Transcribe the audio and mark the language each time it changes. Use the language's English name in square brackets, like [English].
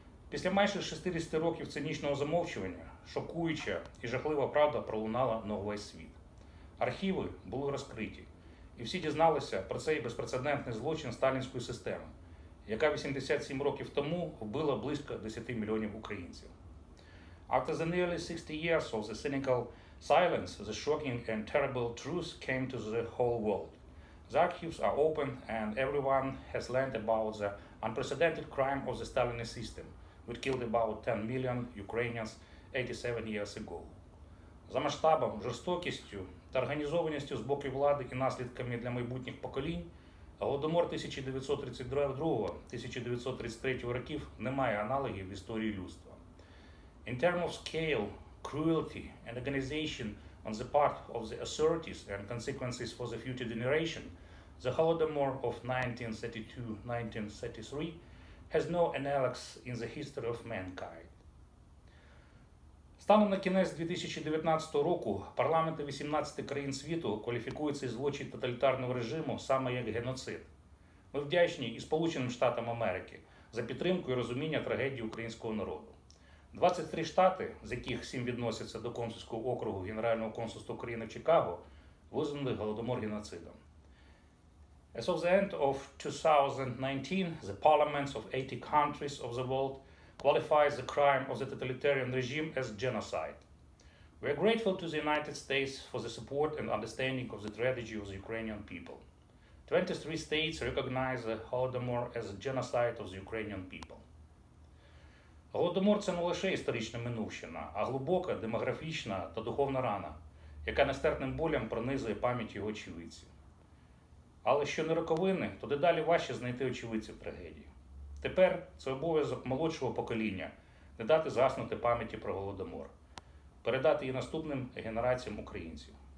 [Ukrainian] Після майже 60 років цинічного замовчування шокуюча і жахлива правда пролунала на увесь світ. Архіви були розкриті, і всі дізналися про цей безпрецедентний злочин сталінської системи, яка 87 років тому вбила близько 10 мільйонів українців. [English] After the nearly 60 years of the cynical silence, the shocking and terrible truth came to the whole world. The archives are open and everyone has learned about the unprecedented crime of the Stalinist system, which killed about 10 million Ukrainians 87 years ago. [Ukrainian] За масштабом, жорстокістю та організованістю з боку влади і наслідками для майбутніх поколінь, Голодомор 1932-1933 років не має аналогів в історії людства. [English] In terms of scale, cruelty and organization on the part of the authorities and consequences for the future generation, the Holodomor of 1932-1933 has no analogs in the history of mankind. [Ukrainian] Станом на кінець 2019 року парламенти 18 країн світу кваліфікують цей злочин тоталітарного режиму саме як геноцид. Ми вдячні і Сполученим Штатам Америки за підтримку і розуміння трагедії українського народу. 23 штати, з яких 7 відносяться до консульського округу Генерального консульства України в Чикаго, визнали Голодомор геноцидом. [English] As of the end of 2019, the parliaments of 80 countries of the world qualify the crime of the totalitarian regime as genocide. We are grateful to the United States for the support and understanding of the tragedy of the Ukrainian people. 23 states recognize the Holodomor as a genocide of the Ukrainian people. [Ukrainian] Голодомор – це не лише історична минувщина, а глибока, демографічна та духовна рана, яка нестерпним болем пронизує пам'ять його очевидців. Але що не роковини, то дедалі важче знайти очевидців трагедії. Тепер це обов'язок молодшого покоління – не дати згаснути пам'яті про Голодомор, передати її наступним генераціям українців.